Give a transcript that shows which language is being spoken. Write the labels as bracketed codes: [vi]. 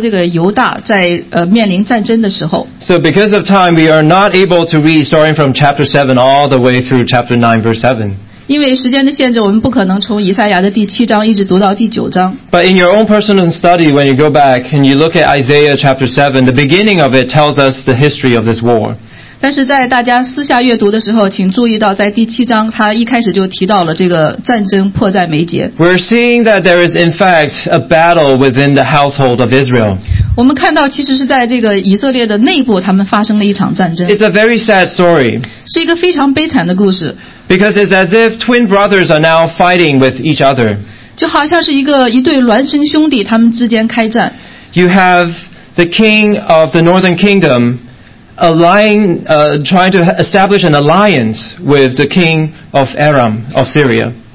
[zh] 这个以马内利的预言呢，最早是出现在犹大，就是南国的这个犹大，在面临战争的时候。So [en] because of time, we are not able to read starting from chapter 7 all the way through chapter 9, verse 7. [zh] 因为时间的限制，我们不可能从以赛亚的第七章一直读到第九章。 [en] But in your own personal study, when you go back and you look at Isaiah chapter 7, the beginning of it tells us the history of this war. [zh] 但是在大家私下阅读的时候，请注意到在第七章，他一开始就提到了这个战争迫在眉睫。 [en] We're seeing that there is in fact a battle within the household of Israel. [zh] 我们看到其实是在这个以色列的内部，他们发生了一场战争。 [en] It's a very sad story. [zh] 是一个非常悲惨的故事。 [en] Because it's as if twin brothers are now fighting with each other. [zh] 就好像是一对孪生兄弟，他们之间开战。 [en] You have the king of the northern kingdom trying to establish an alliance with the king of Aram of Syria.